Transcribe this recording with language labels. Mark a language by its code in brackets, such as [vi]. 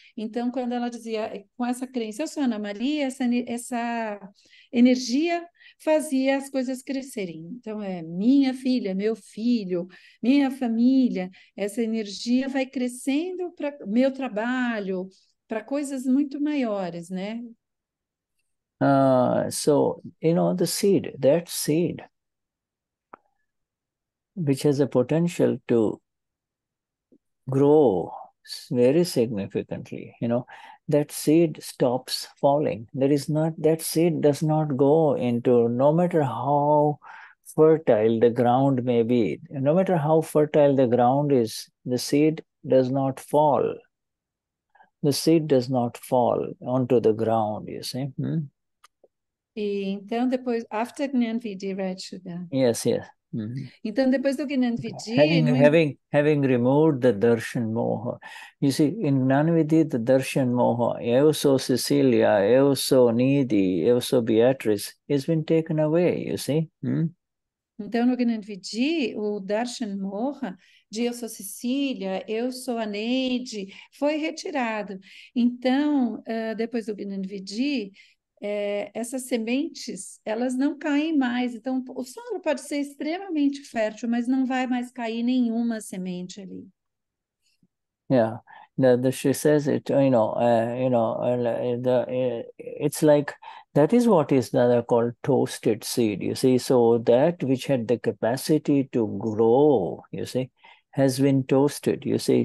[pt] Então, quando ela dizia, com essa crença, eu sou a Ana Maria, essa energia fazia as coisas crescerem. Então, é minha filha, meu filho, minha família, essa energia vai crescendo para meu trabalho, para coisas muito maiores, né? [en] So, you know, the seed, that seed, which has a potential to grow very significantly, you know, that seed stops falling. There is not, that seed does not go into, no matter how fertile the ground may be, no matter how fertile the ground is, the seed does not fall. The seed does not fall onto the ground, you see. [pt] E então depois, [en] after Gnan Vidhi, right, [pt] Shuddha? [en] Yes, yes. [pt] Então, depois do Gnan Vidhi, [en] having removed the darshan moha, you see, in Gnan Vidhi, the darshan moha, [pt] eu sou Cecilia, eu sou Nidhi, eu sou Beatrice, [en] has been taken away, you see. [pt] Então, no Gnan Vidhi, o darshan moha de eu sou Cecilia, eu sou a Neide, foi retirado. Então, depois do Gnan Vidhi, essas sementes, elas não caem mais. Então, o solo pode ser extremamente fértil, mas não vai mais cair nenhuma semente ali. [en] Yeah, she says it, it's like, that is what is called toasted seed, you see. So that which had the capacity to grow, you see, has been toasted, you see.